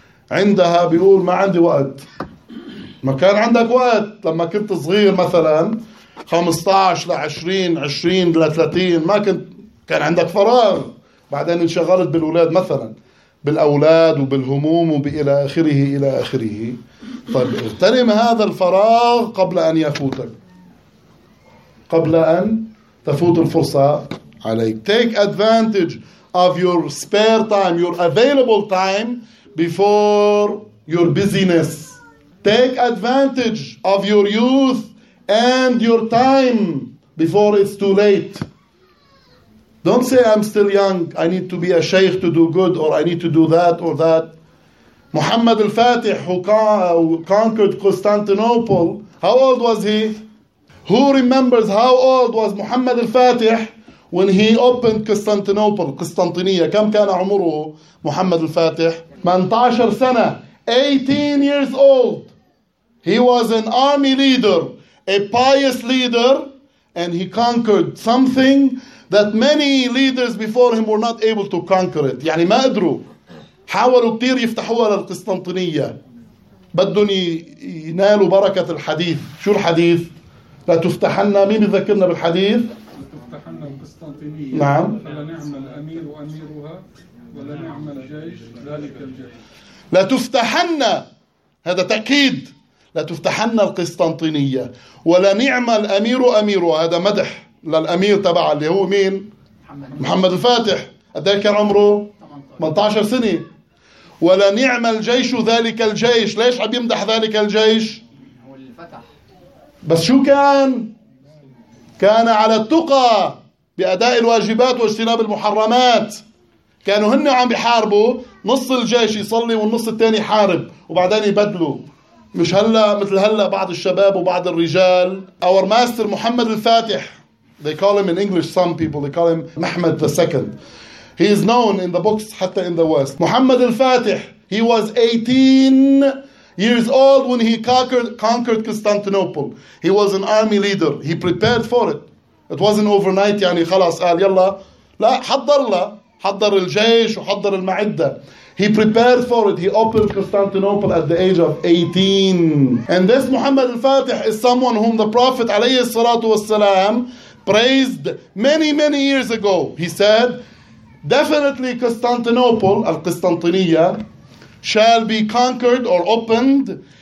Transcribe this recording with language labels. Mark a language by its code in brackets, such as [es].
[ar] عندها بيقول ما عندي وقت, ما كان عندك وقت لما كنت صغير مثلا 15 لعشرين, 20 لثلاثين, ما كان عندك فراغ, بعدين انشغلت بالأولاد مثلا, بالأولاد وبالهموم وبإلى آخره إلى آخره. طيب اغتنم هذا الفراغ قبل أن يفوتك, قبل أن تفوت الفرصة عليك. [en] Take advantage of your spare time, your available time before your busyness. Take advantage of your youth and your time before it's too late. Don't say I'm still young, I need to be a sheikh to do good, or I need to do that or that. Muhammad al-Fatih, who conquered Constantinople, how old was he? Who remembers how old was Muhammad al-Fatih when he opened Constantinople? [ar] Constantinople, كم كان عمره محمد الفاتح؟ 18 سنة, [en] 18 years old. He was an army leader, a pious leader, and he conquered something that many leaders before him were not able to conquer it. [ar] يعني ما أدروا, حاولوا كتير يفتحوها للقسطنطينية, بدهم ينالوا بركة الحديث. شو الحديث؟ لا تفتحنا, مين يذكرنا بالحديث؟ القسطنطينية. نعم. ولا نعم الأمير وأميرها, ولا نعم الجيش ذلك الجيش. لا تفتحنا, هذا تأكيد, لا تفتحنا القسطنطينية, ولا نعم الأمير وأميرها, هذا مدح للأمير تبع اللي هو مين؟ محمد الفاتح. أدي كان عمره 18 سنة. ولا نعم الجيش ذلك الجيش, ليش عم يمدح ذلك الجيش؟ هو الفتح. بس شو كان؟ كان على التقى بأداء الواجبات واجتناب المحرمات. كانوا هن عم بيحاربوا, نص الجيش يصلي والنص الثاني يحارب وبعدين يبدلوا. مش هلا مثل هلا بعض الشباب وبعض الرجال. [en] Our master محمد الفاتح, they call him in English, some people they call him محمد the second. He is known in the books, [ar] حتى [en] in the West. محمد الفاتح, he was 18 years old when he conquered Constantinople. He was an army leader. He prepared for it. It wasn't overnight, [ar] يعني خلاص قال يلا. لا, حضر له, حضر الجيش وحضر المعدة. [en] He prepared for it. He opened Constantinople at the age of 18. And this محمد الفاتح is someone whom the Prophet عليه الصلاة والسلام praised many, many years ago. He said, definitely Constantinople, Al-Qistantiniyya, shall be conquered or opened.